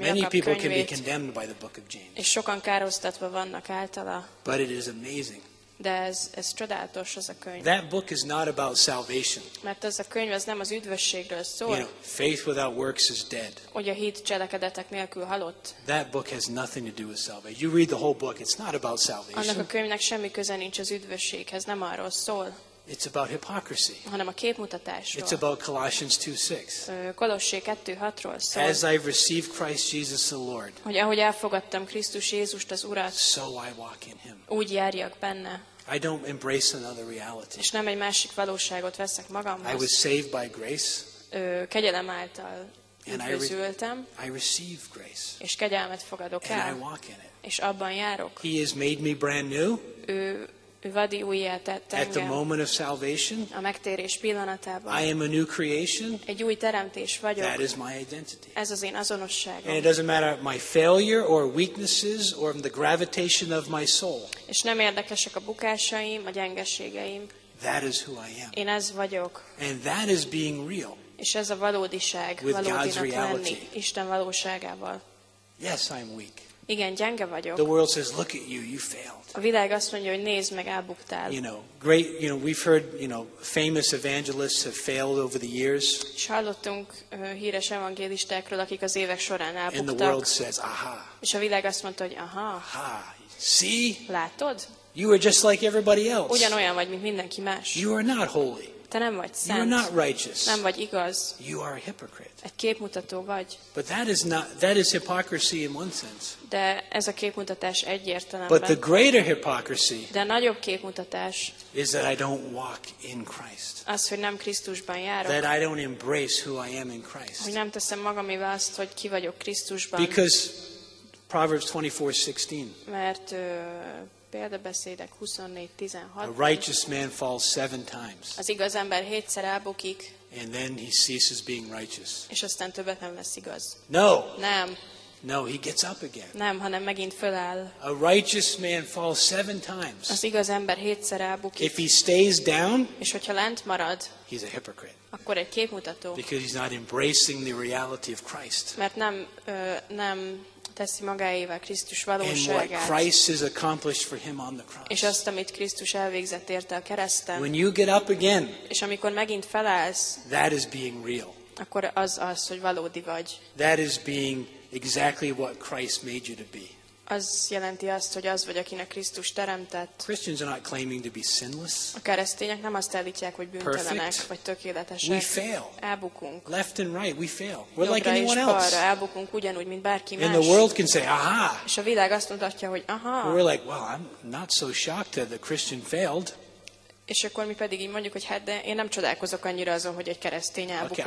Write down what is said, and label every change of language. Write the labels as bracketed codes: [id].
[hu] Jakab könyvét. [en] Many people can be condemned by the book of James. [hu] És sokan károsztatva vannak általa. [en] But it is amazing. [hu] De ez csodálatos az a könyv. [en] That book is not about salvation. [hu] Mert az a könyv az nem az üdvösségről szól. [en] You know, faith without works is dead. [hu] Hogy a hit cselekedetek nélkül halott. [en] That book has nothing to do with salvation. You read the whole book, it's not about salvation. [hu] Annak a könyvnek semmi köze nincs az üdvösséghez, nem arról szól. [en] It's about hypocrisy. [hu] Hanem a képmutatásról. [en] It's about Colossians 2:6. [hu] Kolossé 2:6-ról szól. [en] As I received Christ Jesus the Lord. [hu] Hogy ahogy elfogadtam Krisztus Jézust az Urat. [en] So I walk in him. [hu] Úgy járjak benne. [en] I don't embrace another reality. [hu] És nem egy másik valóságot veszek magamhoz. [en] I was saved by grace. [hu] Kegyelem által üdvözültem. [en] I receive grace. [hu] És kegyelmet fogadok el. [en] And I walk in it. [hu] És abban járok. [en] He has made me brand new. At the moment of salvation, [hu] a megtérés pillanatában. [en] I am a new creation. [hu] Egy új teremtés vagyok. [en] That is my identity. [hu] Ez az én azonosságom. [en] And it doesn't matter my failure or weaknesses or the gravitation of my soul. [hu] És nem érdekesek a bukásaim, a gyengeségeim. [en] That is who I am. [hu] Én ez vagyok. [en] And that is being real. [hu] És ez a valódiság, [en] God's reality. [hu] Isten valóságával. [en] Yes, I am weak. [hu] Igen, gyenge vagyok. [en] The world says, "Look at you, you failed." [hu] A világ azt mondja, hogy nézd meg, elbuktál. [en] You know, great. You know, we've heard, you know, famous evangelists have failed over the years. [hu] És hallottunk híres evangélistákról, akik az évek során elbuktak. [en] And the world says, "Aha." [hu] És a világ azt mondta, hogy aha. [en] Ha, see? [hu] Látod? [en] You are just like everybody else. [hu] Ugyanolyan vagy, mint mindenki más. [en] You are not holy. [hu] Te nem vagy szent. [en] You are not righteous. [hu] Nem vagy igaz. [en] You are a hypocrite. [hu] Egy képmutató vagy. [en] But that is hypocrisy in one sense. [hu] De ez a képmutatás egy értelemben. [en] But the greater hypocrisy. [hu] De a nagyobb képmutatás. [en] Is that I don't walk in Christ. [hu] Az, hogy nem Krisztusban járok. [en] That I don't embrace who I am in Christ. [hu] Hogy nem teszem magamévá azt, hogy ki vagyok Krisztusban. [en] Because Proverbs 24:16. [hu] Mert Példabeszédek 24:16. [en] A righteous man falls 7 times. [hu] Az igaz ember 7-szer elbukik. [en] And then he ceases being righteous. [hu] És aztán többet nem lesz igaz. [en] No. [hu] Nem. [en] No, he gets up again. [hu] Nem, hanem megint föláll. [en] A righteous man falls 7 times. [hu] Az igaz ember 7-szer elbukik. [en] If he stays down, [hu] és hogyha lent marad, [en] he's a hypocrite. [hu] Akkor egy képmutató. [en] Because he's not embracing the reality of Christ. [hu] Mert nem teszi magáévá Krisztus valóságát. [en] And what Christ has accomplished for him on the cross. [hu] És azt, amit Krisztus elvégzett érte a kereszten. [en] When you get up again, [hu] és amikor megint felállsz, [en] that is being real. [hu] Akkor az, hogy valódi vagy. [en] That is being exactly what Christ made you to be. [hu] Az jelenti azt, hogy az vagy, akinek Krisztus teremtett. [en] Christians are not claiming to be sinless. [hu] A keresztények nem azt állítják, hogy bűntelenek, vagy tökéletesek. [en] We fail. [hu] Elbukunk. [en] Left and right, we fail. We're like anyone else. [hu] Jobbra és balra elbukunk ugyanúgy, mint bárki más. [en] And the world can say, aha. [hu] És a világ azt mondhatja, hogy aha. [en] We're like, well, I'm not so shocked that the Christian failed. [hu] És akkor mi pedig így mondjuk, hogy hát, de én nem csodálkozok annyira azon, hogy egy keresztény elbukott.